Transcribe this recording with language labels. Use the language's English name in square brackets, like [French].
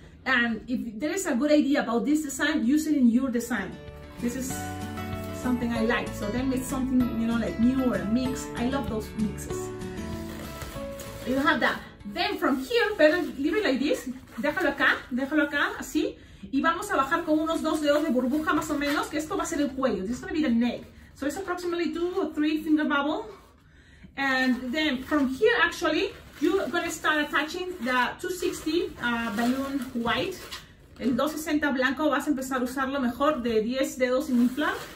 [English] And if there is a good idea about this design, use it in your design. This is something I like. So then it's something, you know, like new or a mix. I love those mixes. You have that. Then from here, better leave it like this. [Spanish] Déjalo acá, así. Y vamos a bajar con unos dos dedos de burbuja más o menos, que esto va a ser el cuello. [English] This is gonna be the neck. So it's approximately 2 or 3 finger bubble. And then from here, actually, you're gonna start attaching the 260 balloon white. [Spanish] El 260 blanco, vas a empezar a usarlo mejor, de 10 dedos sin inflar.